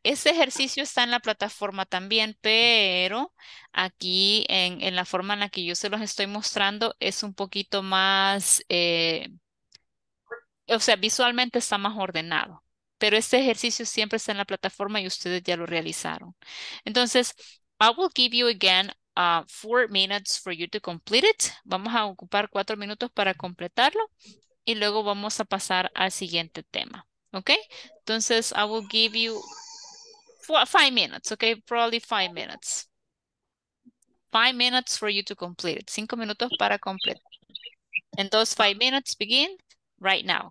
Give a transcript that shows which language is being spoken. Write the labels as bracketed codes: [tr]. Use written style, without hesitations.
[es] Ese ejercicio está en la plataforma también, pero aquí en la forma en la que yo se los estoy mostrando es un poquito más, visualmente está más ordenado. Pero este ejercicio siempre está en la plataforma y ustedes ya lo realizaron. Entonces, [en] I will give you again 4 minutes for you to complete it. [es] Vamos a ocupar 4 minutos para completarlo y luego vamos a pasar al siguiente tema. [en] Okay, [es] entonces [en] I will give you 5 minutes, okay? Probably 5 minutes. 5 minutes for you to complete it. [es] 5 minutos para completar. [en] And those 5 minutes begin right now.